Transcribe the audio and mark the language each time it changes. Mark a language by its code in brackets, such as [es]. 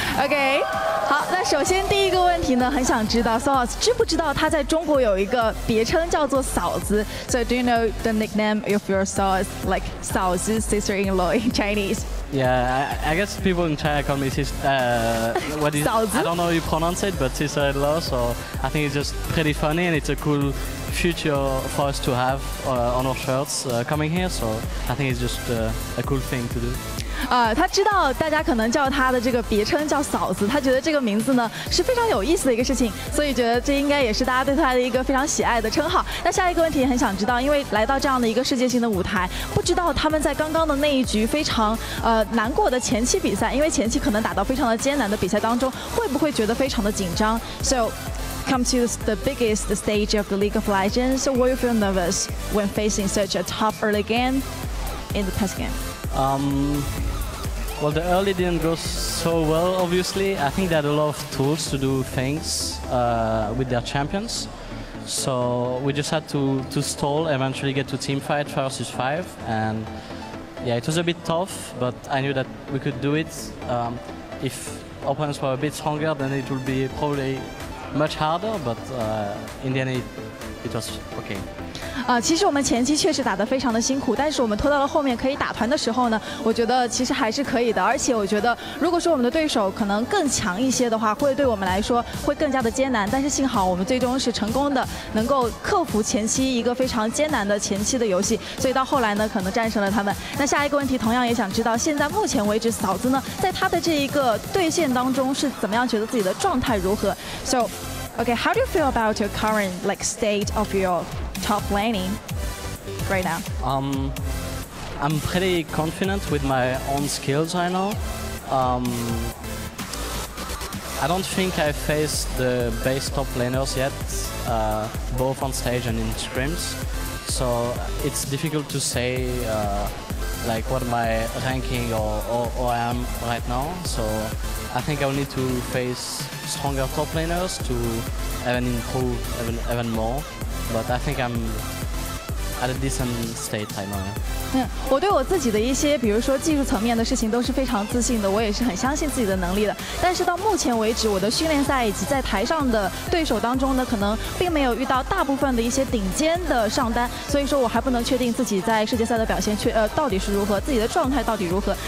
[zh] OK， 好，那首先第一个问题呢，很想知道 Sauce 知不知道他在中国有一个别称叫做嫂子。 [en] So do you know the nickname of your Sauce, like Sauce's sister-in-law in Chinese? Yeah, I guess people in China call me what is 嫂子。 I don't know how you pronounce it, but sister-in-law. So I think it's just pretty funny and it's a cool future for us to have on our shirts coming here. So I think it's just a cool thing to do. [zh] 他知道大家可能叫他的这个别称叫嫂子，他觉得这个名字呢是非常有意思的一个事情，所以觉得这应该也是大家对他的一个非常喜爱的称号。那下一个问题也很想知道，因为来到这样的一个世界性的舞台，不知道他们在刚刚的那一局非常难过的前期比赛，因为前期可能打到非常的艰难的比赛当中，会不会觉得非常的紧张？ [en] So come to the biggest stage of the League of Legends, so were you feel nervous when facing such a tough early game in the past game? Well, the early didn't go so well, obviously. I think they had a lot of tools to do things with their champions. So we just had to stall, eventually get to team fight, 5v5. And yeah, it was a bit tough, but I knew that we could do it. If opponents were a bit stronger, then it would be probably much harder. But in the end, it was okay. [zh] 其实我们前期确实打得非常的辛苦，但是我们拖到了后面可以打团的时候呢，我觉得其实还是可以的。而且我觉得如果说我们的对手可能更强一些的话，会对我们来说会更加的艰难，但是幸好我们最终是成功的能够克服前期一个非常艰难的前期的游戏，所以到后来呢可能战胜了他们。那下一个问题同样也想知道，现在目前为止嫂子呢在他的这一个对线当中是怎么样觉得自己的状态如何？ [en] So okay, how do you feel about your current like state of yourTop laning right now? I'm pretty confident with my own skills right now. I don't think I faced the base top laners yet, both on stage and in scrims. So it's difficult to say like what my ranking or I am right now. So I think I'll need to face stronger top laners to even improve even more. But I think I'm at a decent state right now. [zh] 我对我自己的一些，比如说技术层面的事情，都是非常自信的。我也是很相信自己的能力的。但是到目前为止，我的训练赛以及在台上的对手当中呢，可能并没有遇到大部分的一些顶尖的上单，所以说我还不能确定自己在世界赛的表现到底是如何，自己的状态到底如何。